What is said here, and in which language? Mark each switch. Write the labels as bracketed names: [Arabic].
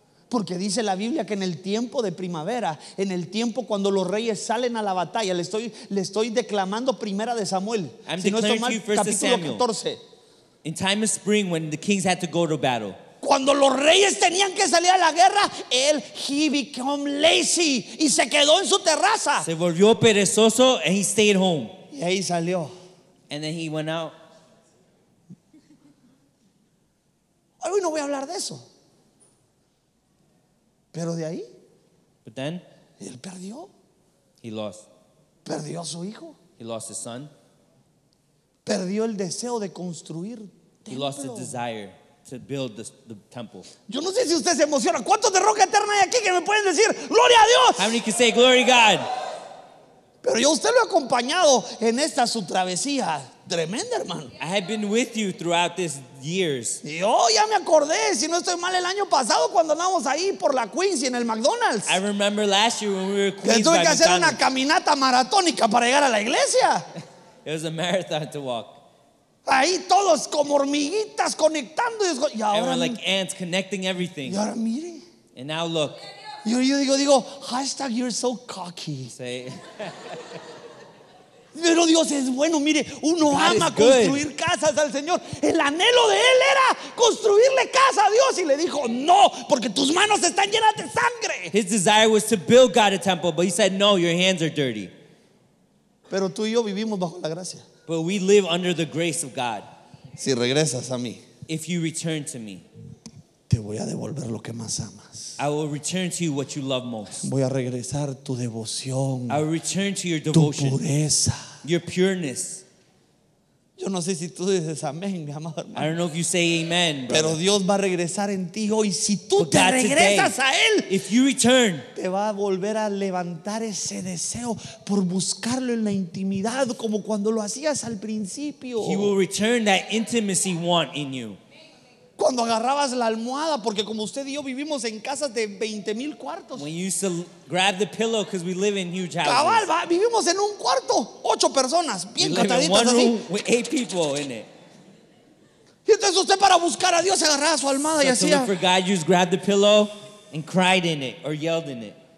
[Spanish] Porque dice la Biblia que en el tiempo de primavera, en el tiempo cuando los reyes salen a la batalla, le estoy declamando Primera de Samuel. [English] I'm [Spanish] si no estoy mal, capítulo 14. [English] In time of spring, when the kings had to go to battle, [Spanish] cuando los reyes tenían que salir a la guerra, él [English] he became lazy [Spanish] y se quedó en su terraza. Se volvió perezoso [English] and he stayed home. [Spanish] Y ahí salió. [English] And then he went out. [Spanish] Hoy no voy a hablar de eso. Pero de ahí. [English] But then. [Spanish] Él perdió. [English] He lost. [Spanish] Perdió a su hijo. [English] He lost his son. [Spanish] Perdió el deseo de construir templo. [English] He lost the desire to build the temple. [Spanish] Yo no sé si usted se emociona. ¿Cuántos de Roca Eterna hay aquí que me pueden decir gloria a Dios? [English] How many can say glory God? [Spanish] Pero yo usted lo ha acompañado en esta su travesía tremenda, hermano. [English] I have been with you throughout these years. [Spanish] Yo ya me acordé, si no estoy mal, el año pasado cuando andamos ahí por la Queens y en el McDonald's. [English] I remember last year when we were Queens. [Spanish] Que tuve que hacer [English] McDonald's. [Spanish] Una caminata maratónica para llegar a la iglesia. [English] It was a marathon to walk. [Spanish] Ahí todos como hormiguitas conectando. Y ahora, [English] like ants connecting everything. [Spanish] Y ahora mire. [English] And now look. [Spanish] Yo digo, [English] hashtag you're so cocky. Say. [Spanish] Pero Dios es bueno, mire, uno God ama construir casas al Señor. El anhelo de él era construirle casa a Dios y le dijo no, porque tus manos están llenas de sangre. [English] His desire was to build God a temple, but he said no, your hands are dirty. [Spanish] Pero tú y yo vivimos bajo la gracia. [English] But we live under the grace of God. [Spanish] Si regresas a mí, [English] if you return to me, [Spanish] te voy a devolver lo que más amas. [English] I will return to you what you love most. [Spanish] Voy a regresar tu devoción. [English] I will return to your devotion. [Spanish] Tu pureza. [English] Your pureness. [Spanish] Yo no sé si tú dices amén, mi amado hermano. [English] I don't know if you say amen, brother. [Spanish] Pero Dios va a regresar en ti hoy si tú te regresas a él. [English] If you return, [Spanish] te va a volver a levantar ese deseo por buscarlo en la intimidad como cuando lo hacías al principio. [English] He will return that intimacy want in you. [Spanish] Cuando agarrabas la almohada, porque como usted y yo vivimos en casas de 20 mil cuartos. [English] When you used to grab the pillow because we live in huge houses. [Spanish] Cabal, va, vivimos en un cuarto, ocho personas, bien cataditas así. [English] One room with eight people in it. [Spanish] Y entonces usted para buscar a Dios agarraba su almohada y hacía. [English] So to look for God, you just grabbed the pillow and cried in it or yelled in it.